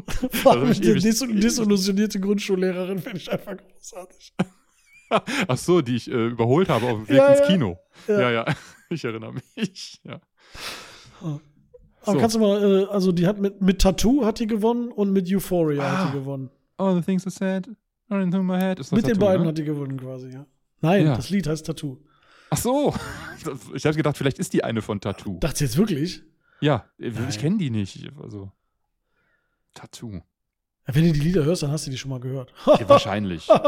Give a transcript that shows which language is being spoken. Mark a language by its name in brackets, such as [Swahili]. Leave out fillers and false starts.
[German] Vor allem die desillusionierte Grundschullehrerin finde ich einfach großartig. Ach so, die ich überholt habe auf dem Weg ins Kino. Ja. Ich erinnere mich, ja. Aber so. Kannst du mal, also die hat mit Tattoo hat die gewonnen und mit Euphoria hat die gewonnen. [English] All the things I said are in my head. [German] Mit Tattoo, den beiden, ne? Hat die gewonnen quasi, ja. Nein, ja. Das Lied heißt Tattoo. Ach so, ich habe gedacht, vielleicht ist die eine von Tattoo. Dachte jetzt wirklich? Ja, ich kenne die nicht. Also, Tattoo. Wenn du die Lieder hörst, dann hast du die schon mal gehört. Ja, wahrscheinlich.